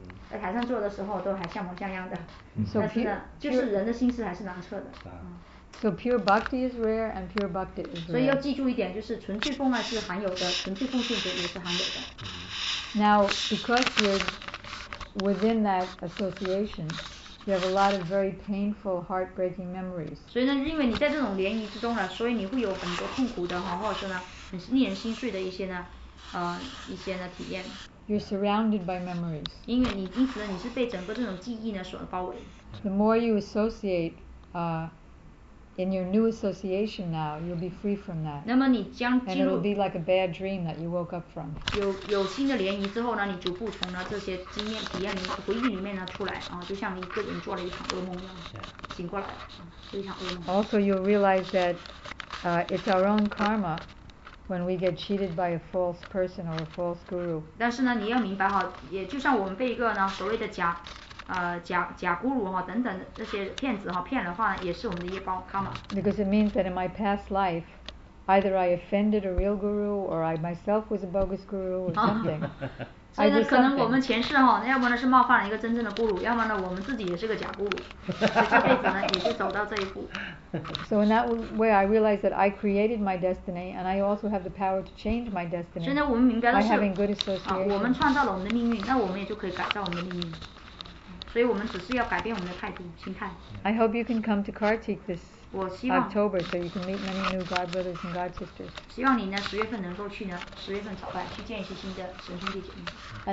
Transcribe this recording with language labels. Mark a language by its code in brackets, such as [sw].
[zh] 在台上做的时候都还像模像样的，但是呢，就是人的心思还是难测的。 [en] So pure bhakti is rare and pure bhakti is rare. [zh] 所以要记住一点，就是纯粹奉爱是含有的，纯粹奉献者也是含有的。 [en] Now because you're within that association, you have a lot of very painful, heartbreaking memories. [zh] 所以呢，因为你在这种联谊之中呢，所以你会有很多痛苦的，或者说呢，很令人心碎的一些呢，一些呢体验。 [en] You're surrounded by memories. [zh] 因为你因此呢，你是被整个这种记忆呢所包围。 [en] The more you associate, in your new association now, you'll be free from that. [zh] 那么你将进入 [en] And it'll be like a bad dream that you woke up from. [zh] 有新的联谊之后呢，你逐步从呢这些经验、体验里、回忆里面呢出来，就像一个人做了一场噩梦一样，醒过来，一场噩梦。 [en] Also, you'll realize that, it's our own karma when we get cheated by a false person or a false guru. [zh] 但是呢，你要明白哈，也就像我们被一个呢所谓的假假咕噜等等这些骗子骗的话也是我们的业报 karma [en] because it means that in my past life either I offended a real guru or I myself was a bogus guru or something [zh] 所以呢可能我们前世要么是冒犯了一个真正的咕噜要么呢我们自己也是个假咕噜这辈子呢也是走到这一步 [en] so in that way I realized that I created my destiny and I also have the power to change my destiny [zh] 所以呢我们明白的是 [en] by having good association [zh] 我们创造了我们的命运那我们也就可以改造我们的命运所以我们只是要改变我们的态度、心态。 [en] I hope you can come to Kartik this [zh] 我希望 [en] October, so you can meet many new God brothers and God sisters. [zh] 希望你呢十月份能够去呢，十月份早来去见一些新的神兄弟姐妹。